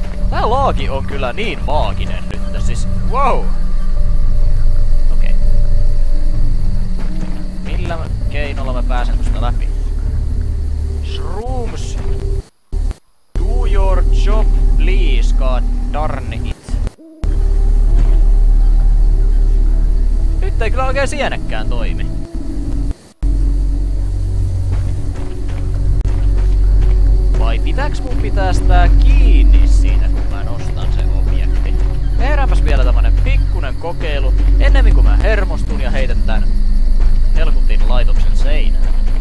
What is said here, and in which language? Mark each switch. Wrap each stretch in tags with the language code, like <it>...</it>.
<fi>Tää laaki on kyllä niin maaginen nyt, että siis... Wow! Okei. Millä keinolla mä pääsen tosta läpi?</fi> <en>Shrooms! Do your job, please, god darn it.</en> <fi>Nyt ei kyllä oikein sienekään toimi. Vai pitääks mun pitää sitä kiinni siinä, kun mä nostan sen objekti? Tehdäänpäs vielä tämmönen pikkunen kokeilu, ennemmin kuin mä hermostun ja heitän tän Helkutin laitoksen seinään.</fi>